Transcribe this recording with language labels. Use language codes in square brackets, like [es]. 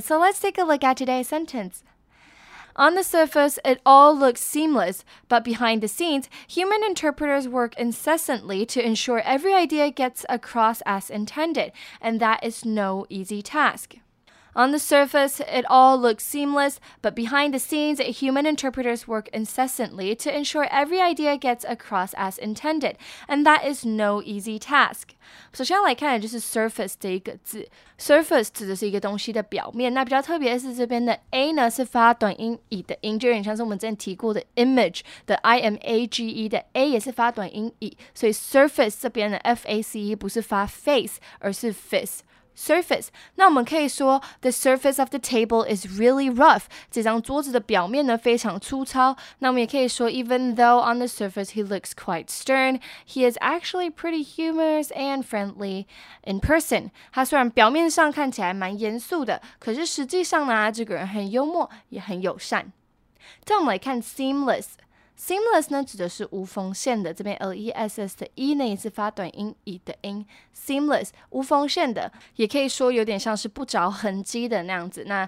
[en] And so let's take a look at today's sentence. On the surface, it all looks seamless, but behind the scenes, human interpreters work incessantly to ensure every idea gets across as intended, and that is no easy task. On the surface, it all looks seamless, but behind the scenes, human interpreters work incessantly to ensure every idea gets across as intended, and that is no easy task. [zh] 首先来看就是 surface这一个字， surface指的是一个东西的表面， 那比较特别是这边的 A呢是发短音 就有点像是我们之前提过的 image的 image的 A也是发短音 所以 surface这边的 face 不是发 face 而是 fist。 [en] Surface. [zh] 那我们可以说 [en] the surface of the table is really rough. [zh] 这张桌子的表面呢非常粗糙. 那我们也可以说 [en] even though on the surface he looks quite stern, he is actually pretty humorous and friendly in person. [zh] 他虽然表面上看起来蛮严肃的，可是实际上呢，这个人很幽默，也很友善. 再我们来看 seamless. Seamless呢指的是无缝线的， 这边 L-E-S-S的E呢也是发短音E的音， Seamless 无缝线的， 也可以说有点像是不着痕迹的那样子。